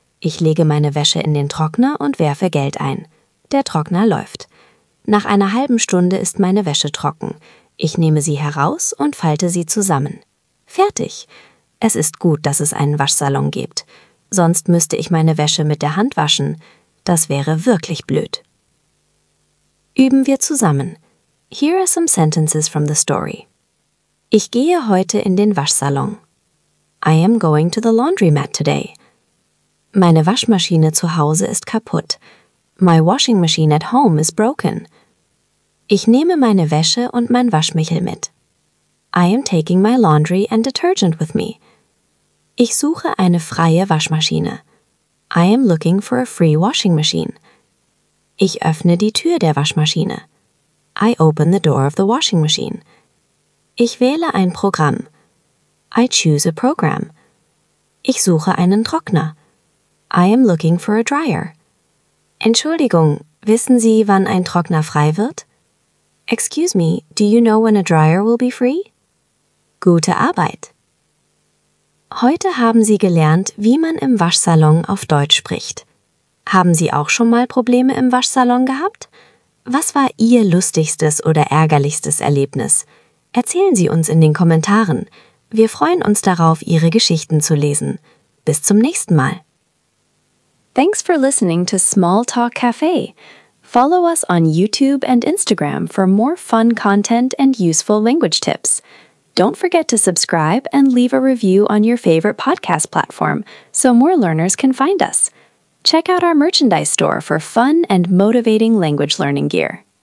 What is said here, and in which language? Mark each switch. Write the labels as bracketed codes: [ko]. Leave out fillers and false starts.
[de] Ich lege meine Wäsche in den Trockner und werfe Geld ein. Der Trockner läuft. Nach einer halben Stunde ist meine Wäsche trocken. Ich nehme sie heraus und falte sie zusammen. Fertig. Es ist gut, dass es einen Waschsalon gibt. Sonst müsste ich meine Wäsche mit der Hand waschen. Das wäre wirklich blöd. Üben wir zusammen. [en] Here are some sentences from the story. [de] Ich gehe heute in den Waschsalon. [en] I am going to the laundromat today. [de] Meine Waschmaschine zu Hause ist kaputt. [en] My washing machine at home is broken. [de] Ich nehme meine Wäsche und mein Waschmittel mit. [en] I am taking my laundry and detergent with me. [de] Ich suche eine freie Waschmaschine. [en] I am looking for a free washing machine. [de] Ich öffne die Tür der Waschmaschine. [en] I open the door of the washing machine. [de] Ich wähle ein Programm. [en] I choose a program. [de] Ich suche einen Trockner. [en] I am looking for a dryer. [de] Entschuldigung, wissen Sie, wann ein Trockner frei wird? [en] Excuse me, do you know when a dryer will be free? [de] Gute Arbeit! Heute haben Sie gelernt, wie man im Waschsalon auf Deutsch spricht. Haben Sie auch schon mal Probleme im Waschsalon gehabt? Was war Ihr lustigstes oder ärgerlichstes Erlebnis? Erzählen Sie uns in den Kommentaren. Wir freuen uns darauf, Ihre Geschichten zu lesen. Bis zum nächsten Mal! [en] Thanks for listening to Small Talk Cafe. Follow us on YouTube and Instagram for more fun content and useful language tips. Don't forget to subscribe and leave a review on your favorite podcast platform so more learners can find us. Check out our merchandise store for fun and motivating language learning gear.